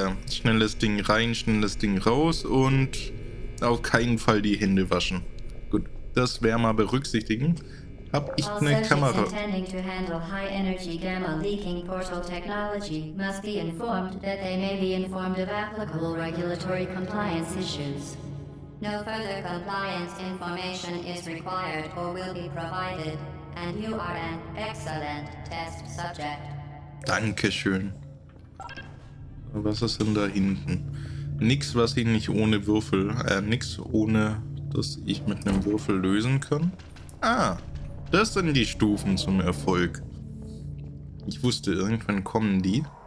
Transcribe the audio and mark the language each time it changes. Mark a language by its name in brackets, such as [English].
[German] Schnelles Ding rein, schnelles Ding raus. Und auf keinen Fall die Hände waschen. Gut, das werden wir berücksichtigen. Hab ich eine Kamera? [English] Intending to handle high energy gamma leaking portal technology must be informed that they may be informed of applicable regulatory compliance issues. No further compliance information is required or will be provided, and you are an excellent test subject. [German] Dankeschön. Was ist denn da hinten? Nix, was ich nicht ohne Würfel, nix ohne, dass ich mit einem Würfel lösen kann. Ah. Das sind die Stufen zum Erfolg. Ich wusste, irgendwann kommen die.